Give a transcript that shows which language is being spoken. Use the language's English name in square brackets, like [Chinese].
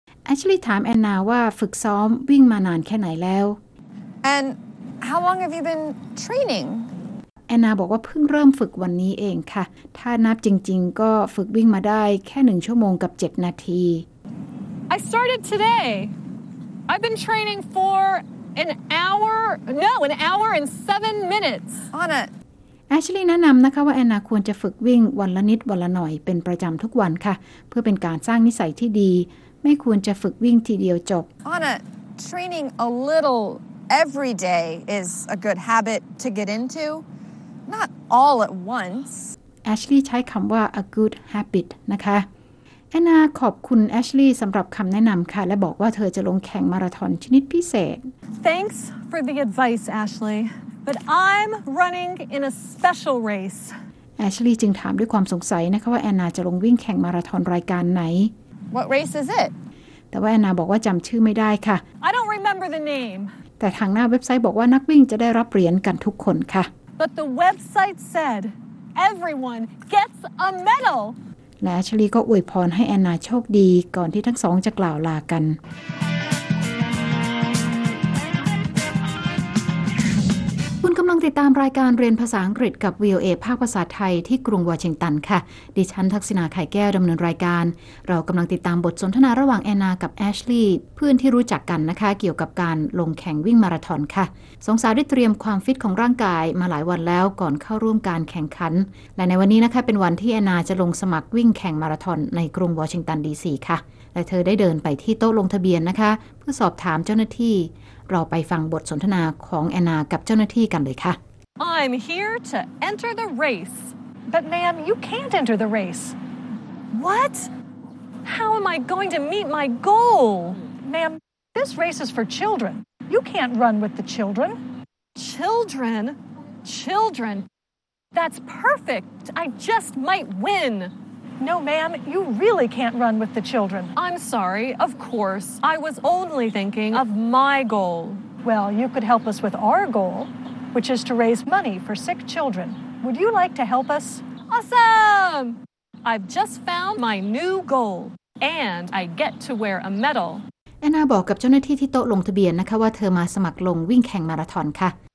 [English] Actually, [Thai] ถามแอนนาว่าฝึกซ้อมวิ่งมานานแค่ไหนแล้ว [English] And how long have you been training? [Thai] แอนนาบอกว่าเพิ่งเริ่มฝึกวันนี้เองค่ะถ้านับจริงๆก็ฝึกวิ่งมาได้แค่1ชั่วโมงกับ7นาที [English] I started today. I've been training for an hour and seven minutes. Anna. [Thai] Ashley แนะนำนะคะว่าแอนนาควรจะฝึกวิ่งวันละนิดวันละหน่อยเป็นประจำทุกวันค่ะเพื่อเป็นการสร้างนิสัยที่ดีไม่ควรจะฝึกวิ่งทีเดียวจบ [English] Anna, training a little every day is a good habit to get into. Not all at once. [Thai] Ashley ใช้คำว่า [English] a good habit [Thai] นะคะแอนนาขอบคุณแอชลีย์สำหรับคำแนะนำค่ะและบอกว่าเธอจะลงแข่งมาราธอนชนิดพิเศษ [English] Thanks for the advice, Ashley. But I'm running in a special race. [Thai] แอชลีย์จึงถามด้วยความสงสัยนะคะว่าแอนนาจะลงวิ่งแข่งมาราธอนรายการไหน [English] What race is it? [Thai] แต่ว่าแอนนาบอกว่าจำชื่อไม่ได้ค่ะ [English] I don't remember the name. [Thai] แต่ทางหน้าเว็บไซต์บอกว่านักวิ่งจะได้รับเหรียญกันทุกคนค่ะ [English] But the website said everyone gets a medal. [Thai] และแอชลีย์ก็อวยพรให้แอนนาโชคดีก่อนที่ทั้งสองจะกล่าวลากันคุณกำลังติดตามรายการเรียนภาษาอังกฤษกับ VOA ภาคภาษาไทยที่กรุงวอชิงตันค่ะดิฉันทักษิณาไข่แก้วดำเนินรายการ เรากำลังติดตามบทสนทนาระหว่างแอนนากับแอชลีย์เพื่อนที่รู้จักกันนะคะเกี่ยวกับการลงแข่งวิ่งมาราธอนค่ะสองสาวได้เตรียมความฟิตของร่างกายมาหลายวันแล้วก่อนเข้าร่วมการแข่งขันและในวันนี้นะคะเป็นวันที่แอนนาจะลงสมัครวิ่งแข่งมาราธอนในกรุงวอชิงตันดีซีค่ะและเธอได้เดินไปที่โต๊ะลงทะเบียนนะคะเพื่อสอบถามเจ้าหน้าที่เราไปฟังบทสนทนาของแอนนากับเจ้าหน้าที่กันเลยค่ะ [English] I'm here to enter the race but ma'am you can't enter the race what how am I going to meet my goal ma'am this race is for children you can't run with the children children that's perfect I just might winNo, ma'am, you really can't run with the children. I'm sorry, of course. I was only thinking of my goal. Well, you could help us with our goal, which is to raise money for sick children. Would you like to help us? Awesome! I've just found my new goal, and I get to wear a medal. [Thai] Anna บอกกับเจ้าหน้าที่ที่โต๊ะลงทะเบียนนะคะว่าเธอมาสมัครลงวิ่งแข่งมาราธอนค่ะ